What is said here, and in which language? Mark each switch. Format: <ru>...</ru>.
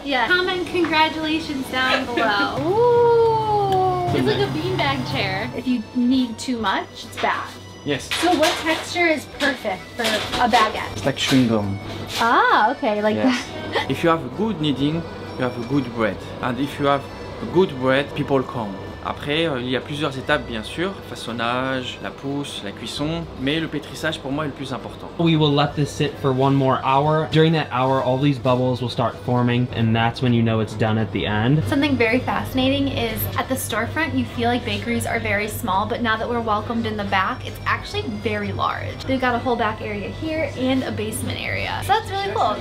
<en>yeah. Comment congratulations down below. Ooh, it's like a beanbag chair. If you need too much, it's bad. Yes. So what texture is perfect for a baguette? It's like chewing gum. Ah, okay, like yes. That. If you have good kneading, you have good bread. And if you have good bread, people come.</en> <fr>Après, il y a plusieurs étapes, bien sûr, façonnage, la pousse, la cuisson, mais le pétrissage, pour moi, est le plus important.</fr> <en>We will let this sit for one more hour. During that hour, all these bubbles will start forming, and that's when you know it's done at the end. Something very fascinating is, at the storefront, you feel like bakeries are very small, but now that we're welcomed in the back, it's actually very large. They've got a whole back area here and a basement area. So that's really cool.</en>